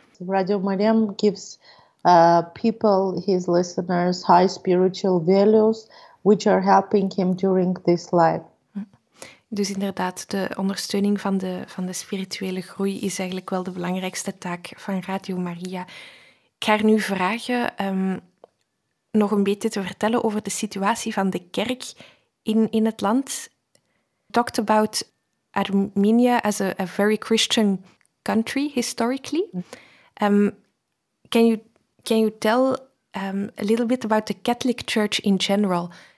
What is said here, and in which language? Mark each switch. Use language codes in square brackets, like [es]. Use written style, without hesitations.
[en] Radio Mariam gives people, his listeners, high spiritual values which are helping him during this life. [nl] Dus inderdaad, de ondersteuning van de spirituele groei is eigenlijk wel de belangrijkste taak van Radio Maria. Ik ga haar nu vragen nog een beetje te vertellen over de situatie van de kerk in het land. [en] Talked about Armenia as a very Christian country historically. Can you tell a little bit about the Catholic Church in general?